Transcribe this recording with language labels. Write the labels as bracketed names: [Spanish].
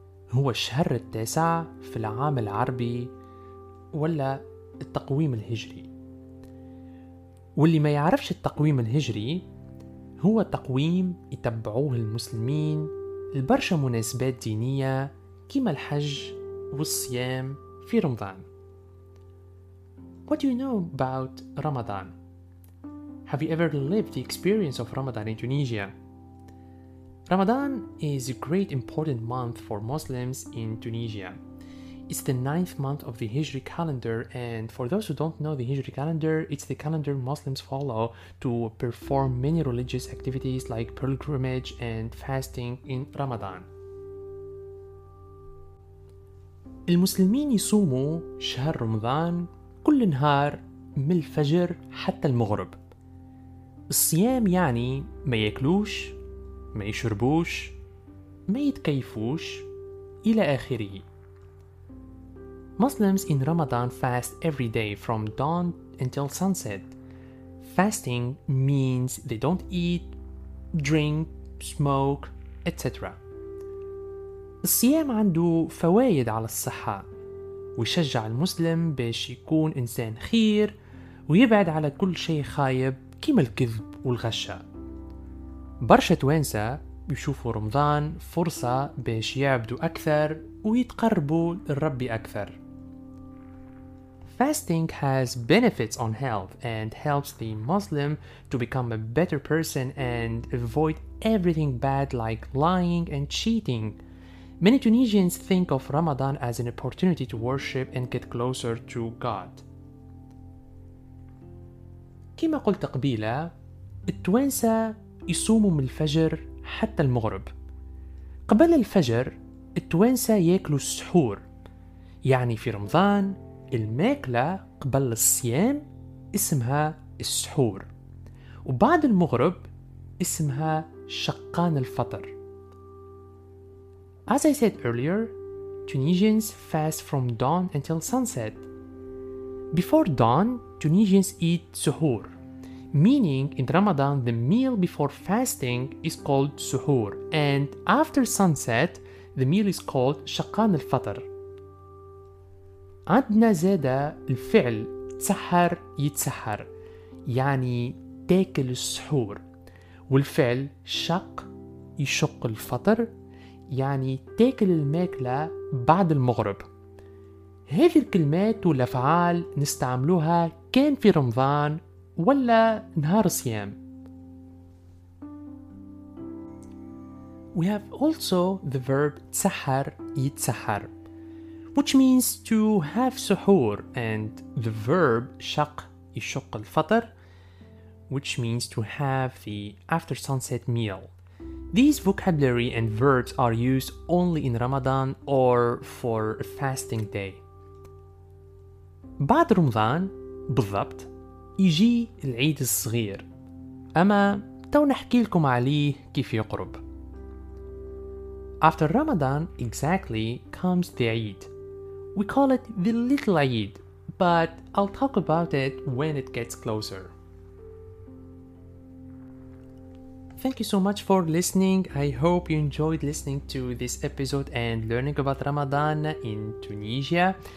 [Arabic] هو الشهر التاسع في العام العربي ولا التقويم الهجري. واللي ما يعرفش التقويم الهجري، هو تقويم يتبعوه المسلمين لبرشا مناسبات دينية كيما الحج والصيام في رمضان. [English] What do you know about Ramadan? Have you ever lived the experience of Ramadan in Tunisia? Ramadan is a great important month for Muslims in Tunisia. It's the ninth month of the Hijri calendar, and for those who don't know the Hijri calendar, it's the calendar Muslims follow to perform many religious activities like pilgrimage and fasting in Ramadan. [Arabic] المسلمين يصوموا شهر رمضان كل نهار من الفجر حتى المغرب. الصيام يعني ما يأكلوش، ما يشربوش، ما يتكيفوش، إلى آخره. [English] Muslims in Ramadan fast every day from dawn until sunset. Fasting means they don't eat, drink, smoke, etc. [Arabic] الصيام عنده فوائد على الصحة، ويشجع المسلم باش يكون إنسان خير ويبعد على كل شيء خايب كيما الكذب والغشة. برشة توانسة يشوفوا رمضان فرصة باش يعبدوا أكثر ويتقربوا للرب أكثر. [English] Fasting has benefits on health and helps the Muslim to become a better person and avoid everything bad like lying and cheating. Many Tunisians think of Ramadan as an opportunity to worship and get closer to God. [Arabic] كما قلت قبيلة، التوانسة يصوموا من الفجر حتى المغرب. قبل الفجر التوانسة يأكلوا السحور، يعني في رمضان الماكلة قبل الصيام اسمها السحور، وبعد المغرب اسمها شقان الفطر. [English] As I said earlier, Tunisians fast from dawn until sunset. Before dawn, Tunisians eat suhoor, meaning in Ramadan the meal before fasting is called suhoor, and after sunset the meal is called شقان الفطر. [Arabic] عندنا زادة الفعل تسحر يتسحر يعني تاكل السحور، والفعل شق يشق الفطر يعني تاكل الماكلة بعد المغرب. هذه الكلمات والأفعال نستعملوها كان في رمضان ولا نهار صيام. [English] We have also the verb تسحر يتسحر, which means to have suhoor, and the verb شق يشق الفطر, which means to have the after sunset meal. These vocabulary and verbs are used only in Ramadan or for a fasting day. [Arabic] بعد رمضان بالضبط يجي العيد الصغير, أما تو نحكي لكم عليه كيف يقرب. [English] After Ramadan exactly comes the Eid. We call it the little Eid, but I'll talk about it when it gets closer. Thank you so much for listening. I hope you enjoyed listening to this episode and learning about Ramadan in Tunisia.